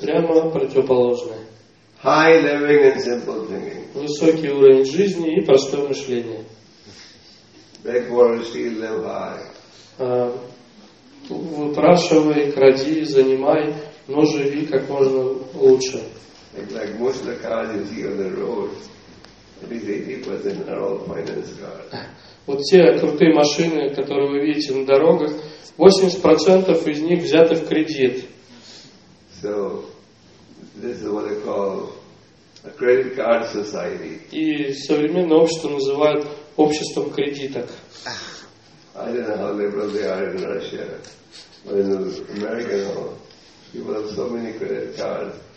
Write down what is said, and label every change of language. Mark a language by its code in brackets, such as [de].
[ru] Прямо противоположное. [en] High living and simple thinking. [ru] Высокий уровень жизни и простое мышление. [en] Beg, borrow, steal, live high. [ru] Выпрашивай, кради, занимай, но живи как можно лучше. [en] Like most of the cars you see on the road, at least 80% are all finance cars. [ru] Вот те крутые машины, которые вы видите на дорогах, 80% из них взяты в кредит. [en] So this is what they call a credit card society. [ru] И современное общество называют обществом кредиток. [en] I don't know how liberal they are in Russia, but in America, people have so many credit cards.